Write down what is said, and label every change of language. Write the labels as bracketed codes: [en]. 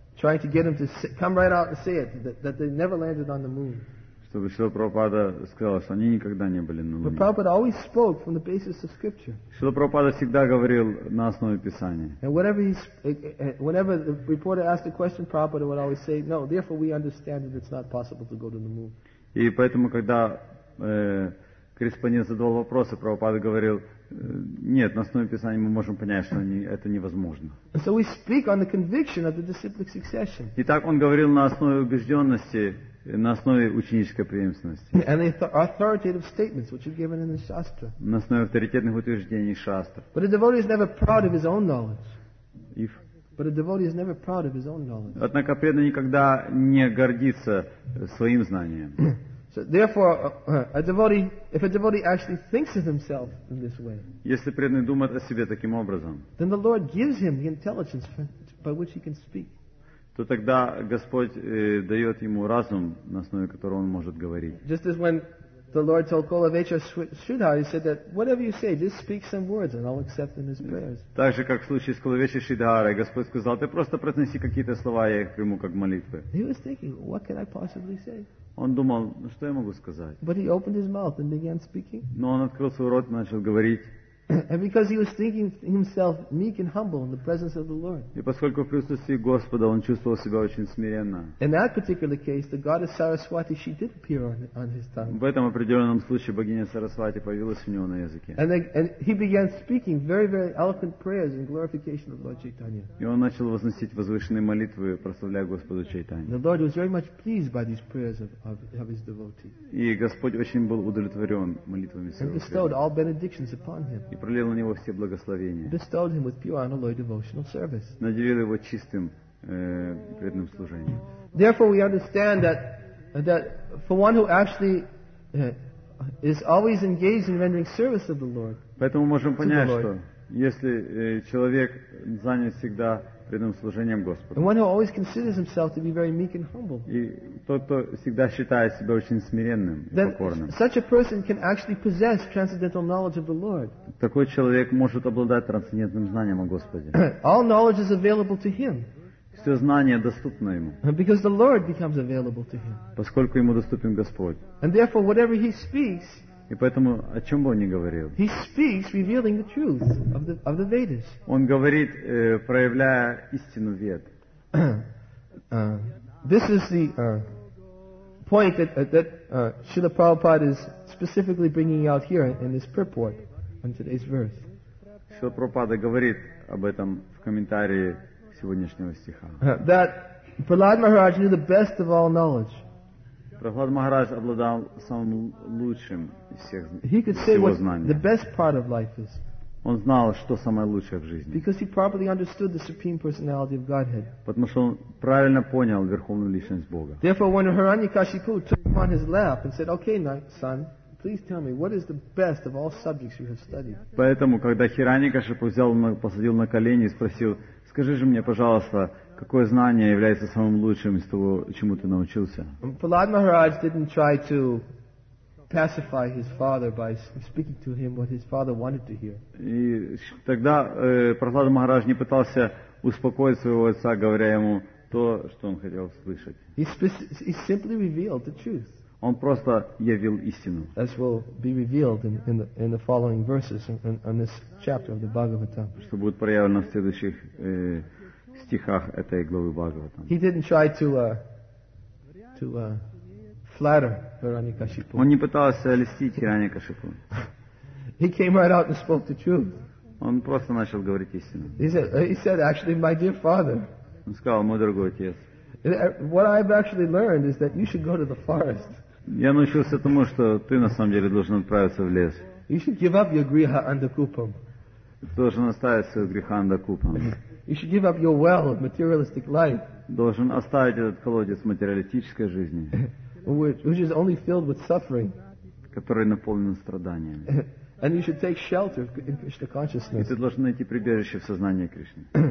[en] Trying to get him to come right out and say it, that they never landed on the moon. [ru] Чтобы Шрила Прабхупада сказал, что они никогда не были на Луне. [en] But Prabhupada always spoke from the basis of scripture. [ru] Шрила Прабхупада всегда говорил на основе Писания. [en] And whenever the reporter asked a question, Prabhupada would always say, no, therefore we understand that it's not possible to go to the moon. [ru] И поэтому, когда корреспондент задавал вопросы, Прабхупада говорил, нет, на основе Писания мы можем понять, что это невозможно. [en] So we speak on the conviction of the disciplic succession. [ru] Итак, он говорил на основе убежденности, на основе ученической преемственности. [en] And the authoritative statements which are given in the Shastra. [ru] На основе авторитетных утверждений Шастр. [en] But a devotee is never proud of his own knowledge. If... But a devotee is never proud of his own knowledge. [ru] Однако преданный никогда не гордится своим знанием. [en] So therefore, if a devotee actually thinks of himself in this way, [ru] если преданный думает о себе таким образом, [en] then the Lord gives him the intelligence by which he can speak. [ru] То тогда Господь дает ему разум, на основе которого он может говорить. [en] Just as when the Lord told Kulavecha Sridhara, he said that whatever you say, just speak some words and I'll accept them as prayers. [ru] Так же, как в случае с Кулавечей Шридхарой, Господь сказал, ты просто произнеси какие-то слова, я их приму как молитвы. [en] He was thinking, what can I possibly say? [ru] Он думал, ну что я могу сказать? [en] But he opened his mouth and began speaking. [ru] Но он открыл свой рот и начал говорить. [en] And because he was thinking himself meek and humble in the presence of the Lord. [ru] И поскольку в присутствии Господа он чувствовал себя очень смиренно. [en] In that particular case, the goddess Saraswati, she did appear on his tongue. [ru] В этом определенном случае богиня Сарасвати появилась у него на языке. [en] And he began speaking very, very eloquent prayers in glorification of Lord Chaitanya. [ru] И он начал возносить возвышенные молитвы, прославляя Господу Чайтанью. [en] The Lord was very much pleased by these prayers of his devotee. [ru] И Господь очень был удовлетворен молитвами своего. [en] And bestowed all benedictions upon him. [ru] И пролил на него все благословения. [en] Bestowed him with pure unalloyed devotional service. [ru] Наделил его чистым преданным служением. [en] Therefore, we understand that for one who actually is always engaged in rendering service of the Lord. [ru] Поэтому можем понять, что если человек занят всегда преданным служением Господу. [en] And one who always considers himself to be very meek and humble. [ru] И тот, кто всегда считает себя очень смиренным и покорным. [en] Such a person can actually possess transcendental knowledge of the Lord. [ru] Такой человек может обладать трансцендентным знанием о Господе. [en] All knowledge is available to him. [ru] Все знание доступно ему. [en] Because the Lord becomes available to him. [ru] Поскольку ему доступен Господь. [en] And therefore, whatever he speaks. [ru] И поэтому, о чем бы он ни говорил, [en] he speaks, revealing the truth of the Vedas. [ru] Он говорит, проявляя истину Вед. [en] This is the point that Srila Prabhupada is specifically bringing out here in this purport on today's verse. [ru] Srila Prabhupada говорит об этом в комментарии сегодняшнего стиха. [en] That Prahlad Maharaj knew the best of all knowledge. [ru] Prahlad Maharaj обладал самым лучшим из всех знаний. [en] He could say what the best part of life is. [ru] Он знал, что самое лучшее в жизни. [en] Because he properly understood the supreme personality of Godhead. [ru] Потому что он правильно понял верховную личность Бога. [en] Therefore, when Hiranyakashipu took him on his lap and said, "Okay, son, please tell me what is the best of all subjects you have studied." [ru] Поэтому, когда Хираньякашипу посадил на колени и спросил, скажи же мне, пожалуйста, какое знание является самым лучшим из того, чему ты научился? [en] Prahlad Maharaj didn't try to pacify his father by speaking to him what his father wanted to hear. [ru] И тогда Прохлада Махарадж не пытался успокоить своего отца, говоря ему то, что он хотел услышать. [en] He simply revealed the truth. [ru] Он просто явил истину. [en] As will be revealed in the following verses in this chapter of the Bhagavatam. [ru] Что будет проявлено в следующих стихах этой главы Бхагаватам. [en] He didn't try to flatter Hiranyakashipu. [ru] Он не пытался льстить Хираньякашипу. [en] He came right out and spoke the truth. [ru] Он просто начал говорить истину. [en] He said, actually, my dear father. [ru] Он сказал, мой дорогой отец. [en] What I've actually learned is that you should go to the forest. [ru] Я научился тому, что ты на самом деле должен отправиться в лес. [en] You should give up your griha andakupam. [ru] Должен оставить свой грех андакупам. [en] You should give up your well of materialistic life. [ru] Должен оставить этот колодец материалистической жизни. [en] Which is only filled with suffering. [ru] Который наполнен страданиями. [en] And you should take shelter in Krishna consciousness. [ru] И ты должен найти прибежище в сознании Кришны.